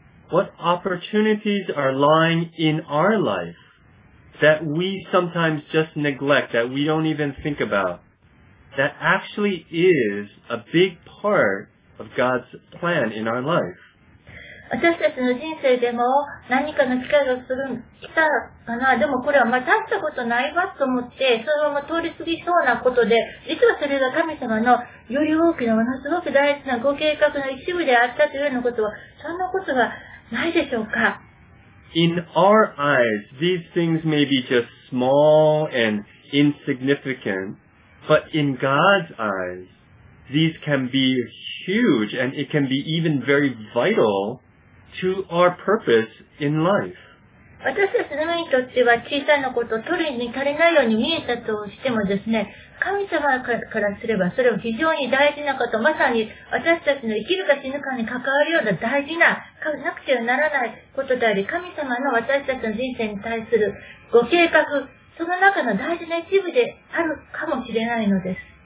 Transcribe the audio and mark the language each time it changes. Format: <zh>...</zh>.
<en>What opportunities are lying in our life that we sometimes just neglect, that we don't even think about, that actually is a big part of God's plan in our life?</en> <ja>私たちの人生でも何かの機会が来たかな、でもこれはまあ大したことないわと思って、そのまま通り過ぎそうなことで、実はそれが神様のより大きな、ものすごく大事なご計画の一部であったというようなことは、そんなことはないでしょうか。</ja> <en>In our eyes, these things may be just small and insignificant, but in God's eyes, these can be huge and it can be even very vital. To our purpose in life.</en> <ja>私たちの目にとっては小さなことを取りに足りないように見えたとしてもですね、神様からすればそれは非常に大事なこと、まさに私たちの生きるか死ぬかに関わるような大事な、なくてはならないことであり、神様の私たちの人生に対するご計画、その中の大事な一部であるかもしれないのです。</ja>